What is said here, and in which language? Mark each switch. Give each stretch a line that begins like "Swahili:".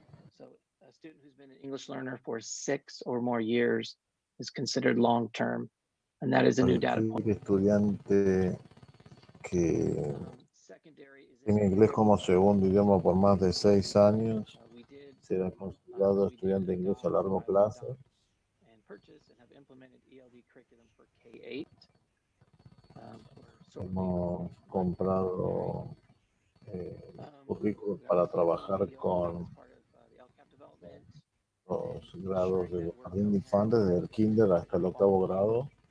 English: So a student who's been an English learner for 6 or more years is considered long-term, and that is a new data point.
Spanish: Estudiante que tiene inglés como segundo idioma por más de 6 años será considerado estudiante de inglés a largo plazo.
English: And purchase and have implemented ELD curriculum for K-8.
Spanish: Hemos comprado currículos para trabajar con los grados de jardín de infantes, desde el kinder hasta el octavo grado.